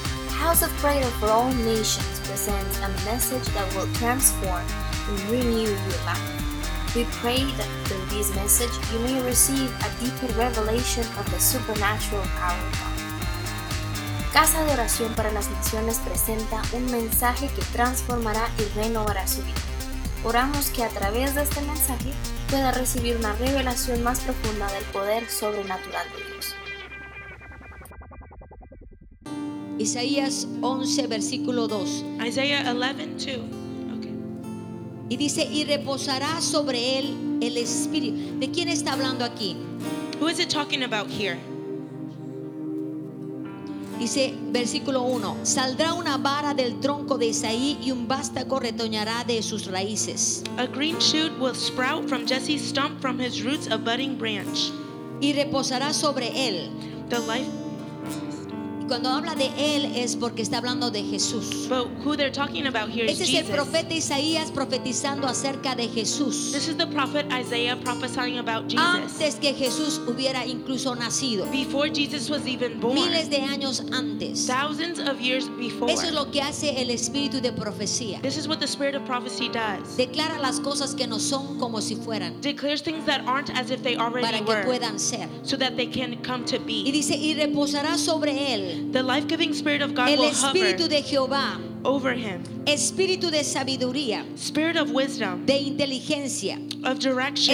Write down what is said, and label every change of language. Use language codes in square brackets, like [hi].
[en] House of Prayer for All Nations presents a message that will transform and renew your life. We pray that through this message you may receive a deeper revelation of the supernatural power of God. [es] Casa de Oración para las Naciones presenta un mensaje que transformará y renovará su vida. Oramos que a través de este mensaje pueda recibir una revelación más profunda del poder sobrenatural de Dios. Isaías 11, versículo 2. [en] Isaiah 11, 2. Okay. [es] Y dice, y reposará sobre él el Espíritu. ¿De quién está hablando aquí? [en] Who is it talking about here? [es] Dice, versículo 1, saldrá una vara del tronco de Isaí y un vástago retoñará de sus raíces. [en] A green shoot will sprout from Jesse's stump, from his roots a budding branch. [es] Y reposará sobre él. [en] The life. [es] Cuando habla de él es porque está hablando de Jesús. [en] But who they're talking about here is Jesus. [es] Este es el profeta Isaías profetizando acerca de Jesús. [en] This is the prophet Isaiah prophesying about Jesus. [es] Antes que Jesús hubiera incluso nacido. [en] Before Jesus was even born. [es] Miles de años antes. [en] Thousands of years before. [es] Eso es lo que hace el espíritu de profecía. [en] This is what the spirit of prophecy does. [es] Declara las cosas que no son como si fueran. [en] Declares things that aren't as if they already were. [es] Para que puedan ser. [en] So that they can come to be. [es] Y dice, y reposará sobre él. [en] The life-giving spirit of God [es] el Espíritu [en] will hover over him. [es] Espíritu de sabiduría, [en] spirit of wisdom, [es] de inteligencia, [en] of direction,